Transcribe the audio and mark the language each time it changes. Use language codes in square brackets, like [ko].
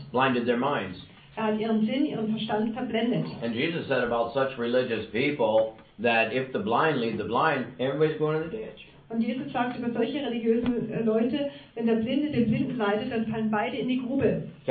[en] Blinded their minds. [de] Er hat ihren Sinn, ihren Verstand verblendet. [en] And Jesus said about such religious people that if the blind lead the blind, everybody's going in the ditch. [de] Und Jesus sagt über solche religiösen Leute, wenn der Blinde den Blinden leitet, dann fallen beide in die Grube.